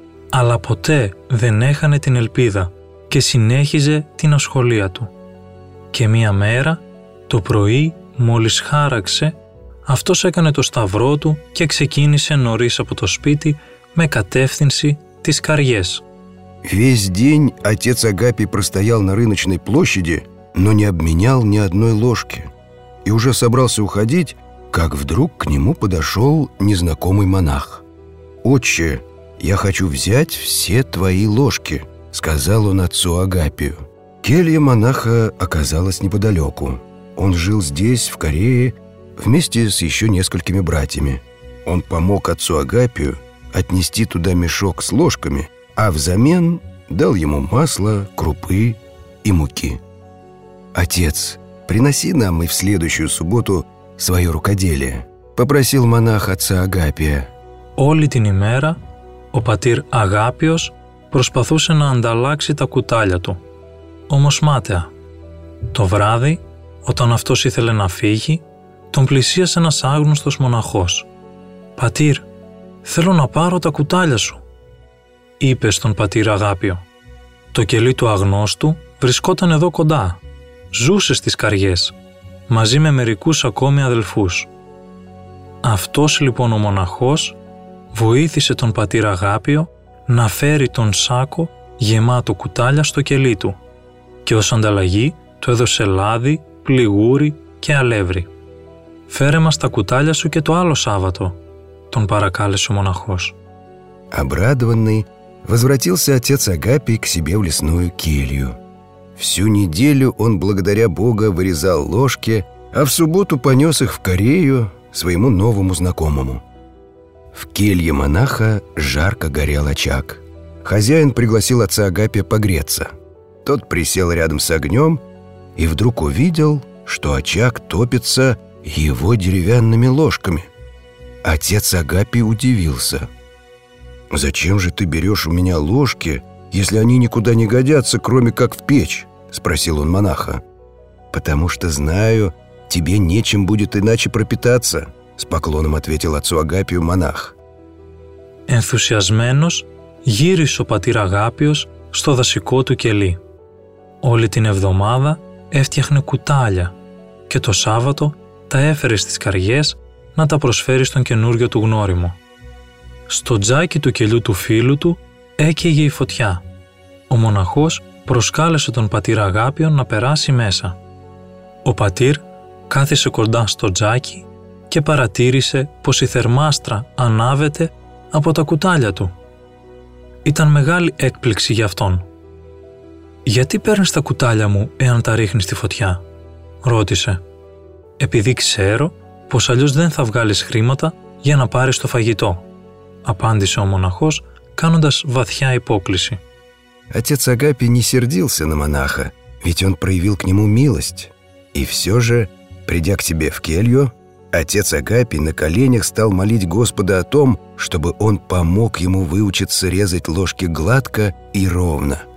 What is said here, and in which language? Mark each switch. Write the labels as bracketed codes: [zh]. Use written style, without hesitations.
[el] Αλλά ποτέ δεν έχανε την ελπίδα και συνέχιζε την ασχολία του. Και μία μέρα, το πρωί, μόλις χάραξε, αυτός έκανε το σταυρό του και ξεκίνησε νωρίς από το σπίτι με κατεύθυνση τις καριές. [ru] Весь день отец Агапий простоял на рыночной площади, но не обменял ни одной ложки. И уже собрался уходить, как вдруг к нему подошел незнакомый монах. «Отче, я хочу взять все твои ложки», — сказал он отцу Агапию. Келья монаха оказалась неподалеку. Он жил здесь, в Корее, вместе с еще несколькими братьями. Он помог отцу Агапию отнести туда мешок с ложками, а взамен дал ему масло, крупы и муки. «Отец, приноси нам и в следующую субботу свое рукоделие», — попросил монах отца Агапия. [el] «Оли την ημέρα, ο πατήρ Αγάπιος προσπαθούσε να ανταλλάξει τα κουτάλια του. Όμως μάταια. Το βράδυ, όταν αυτός ήθελε να φύγει, τον πλησίασε ένας άγνωστος μοναχός. «Πατήρ, θέλω να πάρω τα κουτάλια σου», είπε στον πατήρ Αγάπιο. Το κελί του αγνώστου βρισκόταν εδώ κοντά. Ζούσε στις καριές, μαζί με μερικούς ακόμη αδελφούς. Αυτός λοιπόν ο μοναχός βοήθησε τον πατήρ Αγάπιο να φέρει τον σάκο γεμάτο κουτάλια στο κελί του. Και ως ανταλλαγή του έδωσε λάδι, πληγούρι και αλεύρι. «Φέρε μας τα κουτάλια σου και το άλλο Σάββατο», τον παρακάλεσε ο μοναχός. [ru] Обрадованный, возвратился отец Агапий к себе в лесную келью. Всю неделю он благодаря Бога вырезал ложки, а в субботу понес их в Корею своему новому знакомому. В келье монаха жарко горел очаг. Хозяин пригласил отца Агапия погреться. Тот присел рядом с огнем и вдруг увидел, что очаг топится его деревянными ложками. Отец Агапий удивился. «Зачем же ты берешь у меня ложки, если они никуда не годятся, кроме как в печь?» — спросил он монаха. «Потому что знаю, тебе нечем будет иначе пропитаться», — с поклоном ответил отцу Агапию монах. [el] Энтузиазменос γύρισε ο πατήρ Αγάπιος στο δασικό του κελί. Όλη την εβδομάδα έφτιαχνε κουτάλια και το Σάββατο τα έφερε στις καριές να τα προσφέρει στον καινούριο του γνώριμο. Στο τζάκι του κελιού του φίλου του έκαιγε η φωτιά. Ο μοναχός προσκάλεσε τον πατήρ Αγάπιον να περάσει μέσα. Ο πατήρ κάθισε κοντά στο τζάκι και παρατήρησε πως η θερμάστρα ανάβεται από τα κουτάλια του. Ήταν μεγάλη έκπληξη για αυτόν. «Γιατί παίρνεις τα κουτάλια μου εάν τα ρίχνεις στη φωτιά?» ρώτησε. «Επειδή ξέρω πως αλλιώς δεν θα βγάλεις χρήματα για να πάρεις το φαγητό», απάντησε ο μοναχός, κάνοντας βαθιά υπόκληση. [ru] Отец Агапий не сердился на монаха, ведь он проявил к нему милость. И все же, придя к себе в келью, отец Агапий на коленях стал молить Господа о том, чтобы он помог ему выучиться резать ложки гладко и ровно.